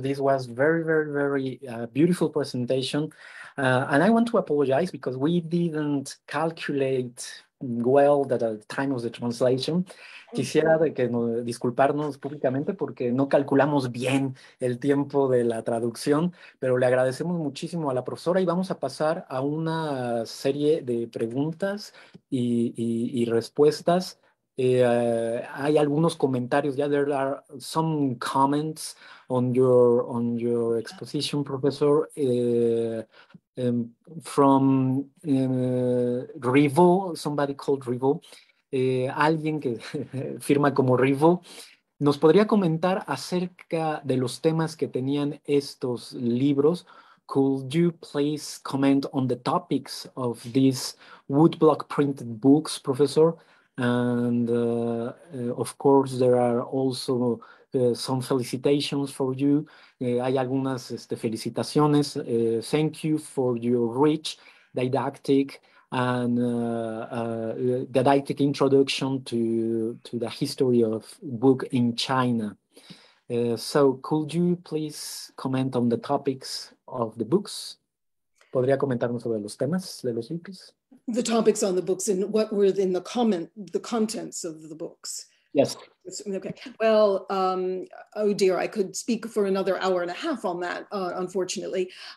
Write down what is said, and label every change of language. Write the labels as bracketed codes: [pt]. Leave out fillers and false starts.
[en] This was very, very, very beautiful presentation. And I want to apologize because we didn't calculate well at the time of the translation. [es] Quisiera de que no, disculparnos públicamente porque no calculamos bien el tiempo de la traducción, pero le agradecemos muchísimo a la profesora y vamos a pasar a una serie de preguntas y respuestas. Hay algunos comentarios. [en] Yeah, there are some comments on your exposition, Professor, from Rivo. Somebody called Rivo. [es] Alguien que firma como Rivo. ¿Nos podría comentar acerca de los temas que tenían estos libros? [en] Could you please comment on the topics of these woodblock printed books, Professor? And of course, there are also some felicitations for you. [es] Hay algunas felicitaciones. [en] Thank you for your rich didactic and didactic introduction to the history of book in China. So could you please comment on the topics of the books? [es] ¿Podría comentarnos sobre los temas de los libros? [en] The topics on the books and what were in the comment, the contents of the books. Yes. Okay. Well, oh dear, I could speak for another hour and a half on that, unfortunately.